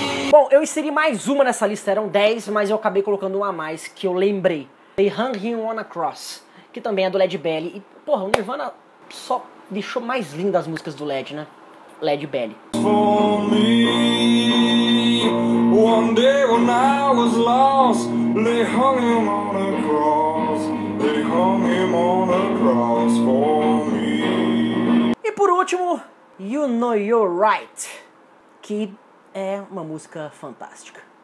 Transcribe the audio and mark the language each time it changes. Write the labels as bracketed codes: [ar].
[pt] Bom, eu inseri mais uma nessa lista. Eram 10, mas eu acabei colocando uma a mais que eu lembrei. They Hung Him on a Cross, que também é do Led Belly. E, porra, o Nirvana só deixou mais lindas as músicas do Led, né? Led Belly. [en] For me, one day when I was lost, they hung him on a cross. They hung him on a cross for me. [pt] E por último, You Know You're Right, que é uma música fantástica.